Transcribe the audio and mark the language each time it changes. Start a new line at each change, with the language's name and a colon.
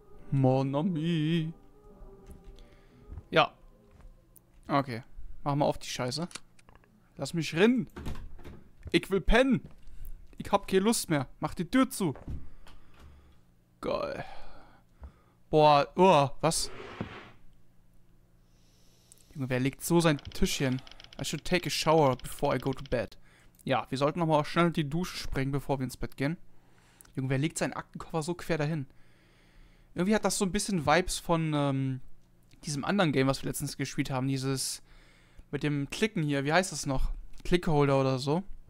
French: Mon ami.
German: Ja. Okay. Mach mal auf die Scheiße. Lass mich rennen. Ich will pennen. Ich hab keine Lust mehr. Mach die Tür zu. Geil. Boah. Oh, was? Junge, wer legt so sein Tischchen?
English: I should take a shower before I go to bed.
German: Ja, wir sollten nochmal schnell in die Dusche springen, bevor wir ins Bett gehen. Junge, wer legt seinen Aktenkoffer so quer dahin? Irgendwie hat das so ein bisschen Vibes von diesem anderen Game, was wir letztens gespielt haben. Dieses mit dem Klicken hier, wie heißt das noch? Clickholder oder so.